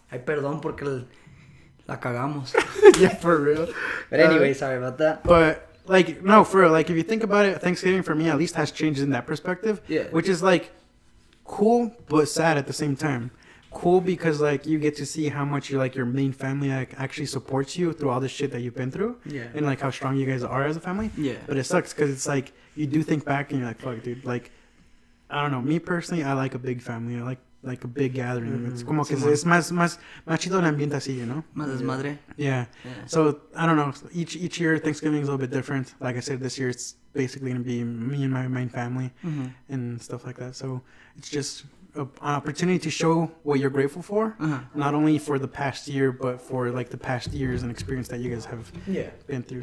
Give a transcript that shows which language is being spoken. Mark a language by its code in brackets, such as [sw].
[es] Ay, perdón porque la cagamos. [en] Yeah, for real. But anyway, sorry about that. But, like, no, for real, like, if you think about it, Thanksgiving for me at least has changed in that perspective. Yeah. Which is, like, cool, but sad at the same time. Cool because, like, you get to see how much you, like, your main family, like, actually supports you through all the shit that you've been through. Yeah. And, like, how strong you guys are as a family. Yeah. But it sucks because it's, like, you do think back and you're like, fuck, dude. Like, I don't know. Me, personally, I like a big family. I like a big gathering. [es] Mm-hmm. It's como que sí, es más chido el ambiente así, [en] you know? [es] Más desmadre. [en] Yeah. So, I don't know. Each year, Thanksgiving is a little bit different. Like I said, this year, it's basically going to be me and my main family and stuff like that. So, it's just an opportunity to show what you're grateful for, not only for the past year, but for like the past years and experience that you guys have been through.